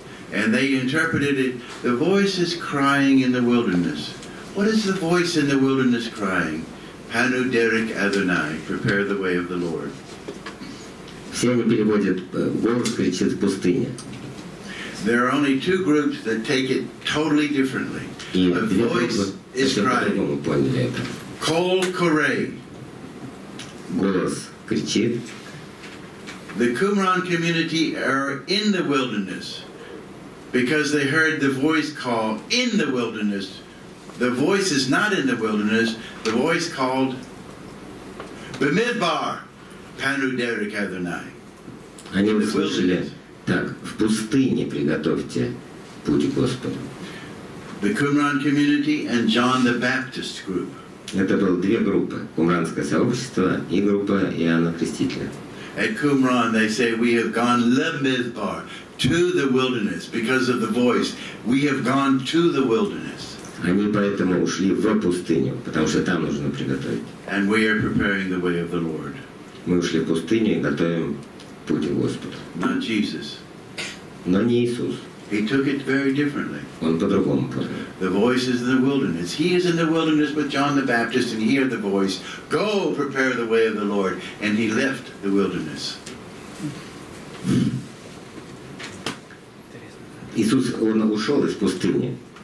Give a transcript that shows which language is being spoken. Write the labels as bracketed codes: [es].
[en] And they interpreted it, the voice is crying in the wilderness. What is the voice in the wilderness crying? [he] Panu Derech Adonai, [en] prepare the way of the Lord. [ru] Все они переводят, голос кричит в пустыне. [en] There are only two groups that take it totally differently. A voice is crying. [he] Kol Korei. [ru] Голос кричит. [en] The Qumran community are in the wilderness. Because they heard the voice call in the wilderness. The voice is not in the wilderness. The voice called [he] Бемидбар, Пану Дерек Адонай. [ru] Они услышали, так, в пустыне приготовьте путь Господу. [en] The Qumran community and John the Baptist group. [ru] Это было две группы, Кумранское сообщество и группа Иоанна Крестителя. [en] At Qumran they say, we have gone Лемидбар. To the wilderness, because of the voice, we have gone to the wilderness. [ru] Они поэтому ушли в пустыню, потому что там нужно приготовить. [en] And we are preparing the way of the Lord. [ru] Мы ушли в пустыню и готовим путь Господа. [en] Not Jesus. [ru] Но не Иисус. [en] He took it very differently. [ru] Он по-другому понял. [en] The voice is in the wilderness. He is in the wilderness with John the Baptist, and he heard the voice, "Go, prepare the way of the Lord," and he left the wilderness. [ru] Иисус, он ушел из пустыни.